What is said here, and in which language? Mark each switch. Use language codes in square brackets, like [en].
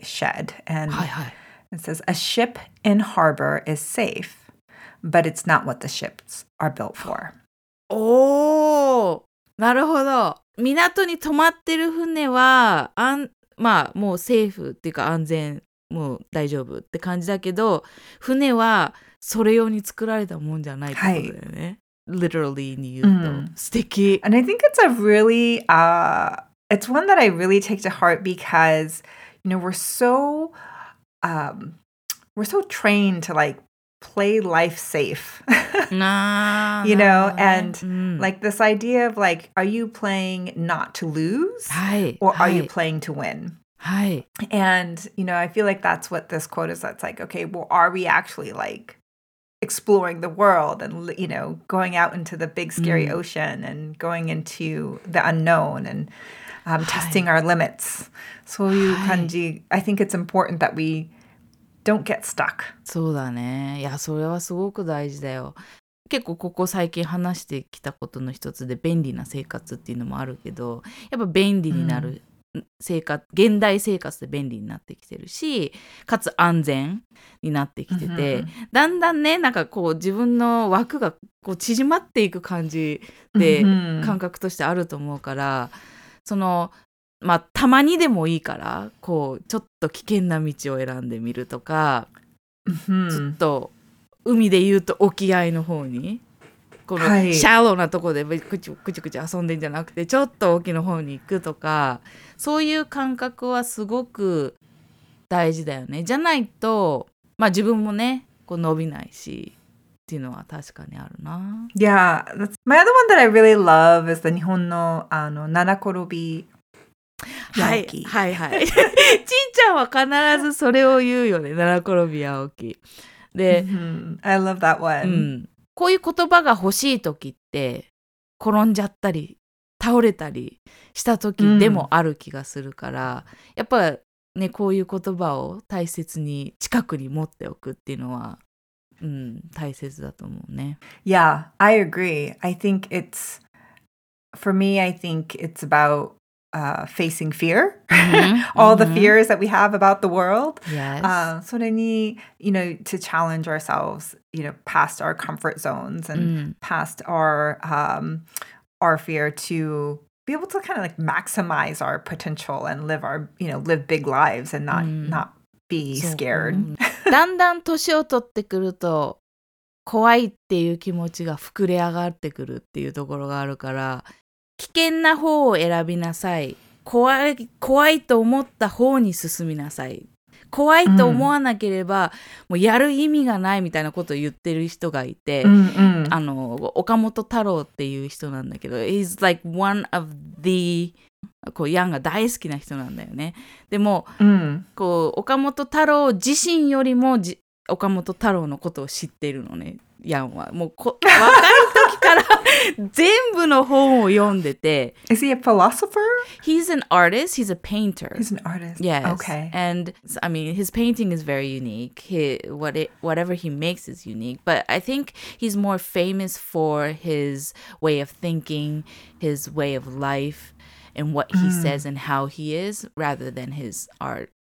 [en] Shedd, and it says, "A ship in harbor is safe, but it's not what the ships are built for." [ja] おなるほど。港に泊まってる船は、まあ、もうセーフっていうか安全、もう大丈夫って感じだけど、船はそれ用に作られたもんじゃないってことだよね。 Literally に言うと。素敵。 [en] And I think it's a really, it's one that I really take to heart because, you know, we're so trained to like,play life safe. nah, you know, nah, and like this idea of like, are you playing not to lose or are you playing to win? And, you know, I feel like that's what this quote is. That's like, okay, well, are we actually like exploring the world and, you know, going out into the big scary ocean and going into the unknown and testing our limits? So you can do, I think it's important that weDon't get stuck. [ja] そうだね。いや、それはすごく大事だよ。結構ここ最近話してきたことの一つで便利な生活っていうのもあるけど、やっぱ便利になる生活、現代生活で便利になってきてるし、かつ安全になってきてて、だんだんね、なんかこう自分の枠がこう縮まっていく感じで感覚としてあると思うから、その、まあ、たまにでもいいから、こう、ちょっと危険な道を選んでみるとか、ちょっと、海で言うと沖合の方に、この、シャローなとこで、くちくちくち遊んでんじゃなくて、ちょっと沖の方に行くとか、そういう感覚はすごく大事だよね。じゃないと、まあ、自分もね、こう、伸びないし、っていうのは確かにあるな。 [en] Yeah, that's my other one that I really love is the [ja] 日本の、あの、七転び。はい、はいはいちんちゃんは必ずそれを言うよね七転び八起きで、 [en] I love that one、 [ja] こういう言葉が欲しい時って転んじゃったり倒れたりした時でもある気がするから、やっぱねこういう言葉を大切に近くに持っておくっていうのは、大切だと思うね [en] Yeah, I agree. I think it's for me, I think it's aboutfacing fear, all the fears that we have about the world. Yes. [ja] それに、 [en] you know, to challenge ourselves, you know, past our comfort zones and past our fear to be able to kind of like maximize our potential and live our, you know, live big lives and not be scared. [ja] だんだん年を取ってくると怖いっていう気持ちが膨れ上がってくるっていうところがあるから危険な方を選びなさい。怖いと思った方に進みなさい。怖いと思わなければ、もうやる意味がないみたいなことを言ってる人がいて、あの、岡本太郎っていう人なんだけど、 [en] he's like one of the, [ja] こう、ヤンが大好きな人なんだよね。でも、こう、岡本太郎自身よりも岡本太郎のことを知ってるのね、ヤンは。もう、若い時から、全部の本を読んでて。 [en] Is he a philosopher? He's an artist. He's a painter. He's an artist. Yes. Okay. And I mean, his painting is very unique. Whatever he makes is unique. But I think he's more famous for his way of thinking, his way of life, and what he says and how he is, rather than his art.